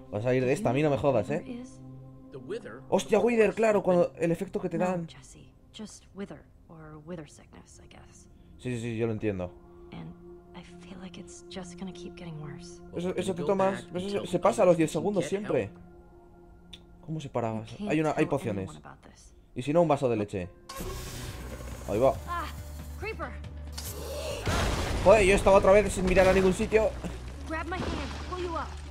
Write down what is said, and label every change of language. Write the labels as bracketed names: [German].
[Spanish] Vas a salir de esta, a mí no me jodas, ¿eh? [English] The wither. [Spanish] Hostia, wither, claro, cuando el efecto que te dan. [English] No, Jesse, just wither or wither sickness, I guess. [Spanish] Sí, sí, sí, yo lo entiendo. [English] And I feel like it's just gonna keep getting worse. [Spanish] Eso que tomas, eso se pasa a los 10 segundos siempre. ¿Cómo se paraba? Hay pociones. Y si no, un vaso de leche. Ahí va. [English] Creeper. [Spanish] Joder, yo estaba otra vez sin mirar a ningún sitio. [English] Grab my hand, pull you up.